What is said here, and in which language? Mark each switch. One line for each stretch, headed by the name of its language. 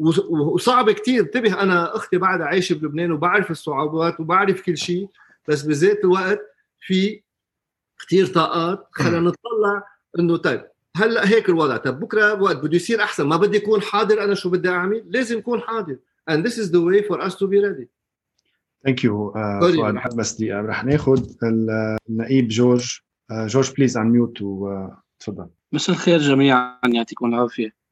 Arabic: وصعب كتير، انتبه انا اختي بعد عايشه بلبنان وبعرف الصعوبات وبعرف كل شيء، بس بذات الوقت في كتير طاقات. خلينا نطلع انه طيب هلا هيك الوضع، طب بكره وقت بده يصير احسن، ما بدي اكون حاضر انا شو بدي اعمل، لازم اكون حاضر.
English: And this is the way for us to be ready. Thank you.
Arabic: فؤاد حبس دقيقة رح ناخد النقيب جورج. جورج بليز ان ميوت وتفضل. مساء الخير جميعا، يعطيكم العافية.